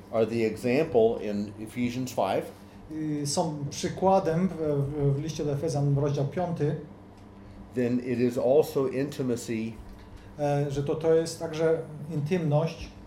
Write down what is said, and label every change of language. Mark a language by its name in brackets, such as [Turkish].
[English] are the example in Ephesians 5. [Polish] Są przykładem w liście do Efezjan, rozdział 5. [English] Then it is also intimacy. [Polish] Że to jest także intymność.